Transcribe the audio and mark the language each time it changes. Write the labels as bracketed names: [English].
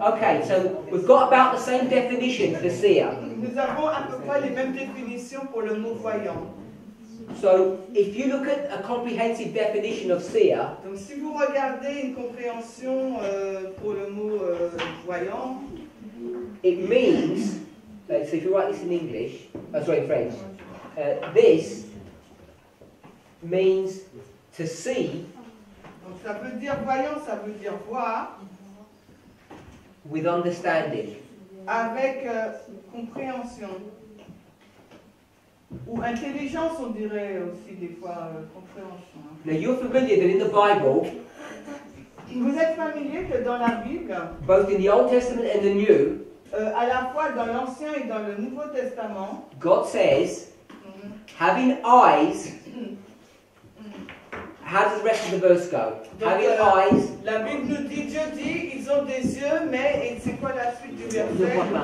[English] Okay, so we've got about the same definition for seer. [French] Nous avons à peu près les mêmes définitions pour le mot voyant. [English] So, if you look at a comprehensive definition of seer, [French] donc si vous regardez une compréhension pour le mot voyant, [English] it means, so if you write this in English, sorry, in French, this means to see. [French] Donc ça veut dire voyant, ça veut dire voir. [English] With understanding. [French] Avec compréhension. Ou intelligence, on dirait aussi des fois compréhension. [English] Now you're familiar that in the Bible, [French] vous êtes familier que dans la Bible, [English] both in the Old Testament and the New, [French] à la fois dans l'Ancien et dans le Nouveau Testament, [English] God says, having eyes, how does the rest of the verse go? Having eyes. [French] La Bible nous dit, Dieu dit, ils ont des yeux, mais et c'est quoi la suite du verset?